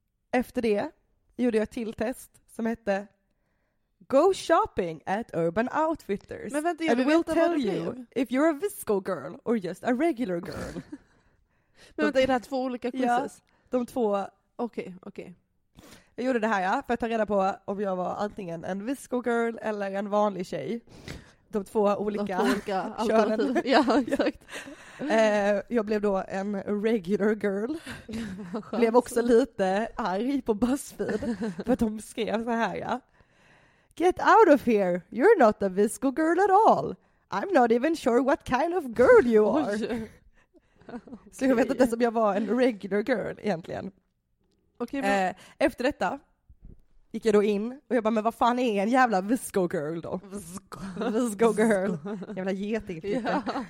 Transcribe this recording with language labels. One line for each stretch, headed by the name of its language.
Swedish: Efter det gjorde jag ett till test som hette
English: Go shopping at Urban Outfitters.
Swedish: Men vänta,
English: and we'll tell you if you're a visco girl or just a regular girl.
Swedish: Men vänta, är det här två olika quizzes? Ja, de två. Okej. Jag gjorde det här, ja, för att ta reda på om jag var antingen en visco girl eller en vanlig tjej. De två olika könen. Ja, exakt. Jag blev då en regular girl. Blev också lite arg på BuzzFeed för att de skrev så här, ja.
English: Get out of here. You're not a visco girl at all. I'm not even sure what kind of girl you are.
Swedish: Okay. Så jag vet inte om jag var en regular girl egentligen.
English: Okay,
Swedish: men... efter detta gick jag då in och jag bara, men vad fan är en jävla visco girl då? Visco girl. Jävla geting. Ja.